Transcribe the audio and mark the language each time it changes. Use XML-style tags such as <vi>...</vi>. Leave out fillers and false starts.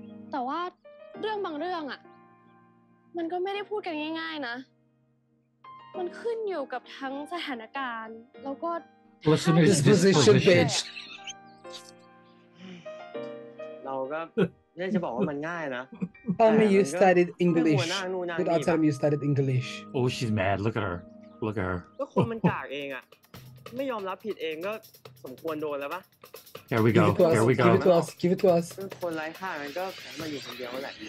<th>แต่ว่าเรื่องบางเรื่องอะมันก็ไม่ได้พูดกันง่ายๆนะมันขึ้นอยู่กับทั้งสถานการณ์แล้วก็</th> <en>disposition bitch</en> <th>เราก็ไม่ได้จะบอกว่ามันง่ายนะ</th> <en>Tell me you studied English Did I tell you studied English Oh she's mad look at her look at her</en> <th>ก็คนมันกากเองอ่ะไม่ยอมรับผิดเองก็สมควรโดนแล้วป่ะ</th> <en>Here we go Here we go Give it to us Give it to us</en> <th>คนไร้ค่ามันก็แค่มาอยู่คนเดียวแหละดี</th>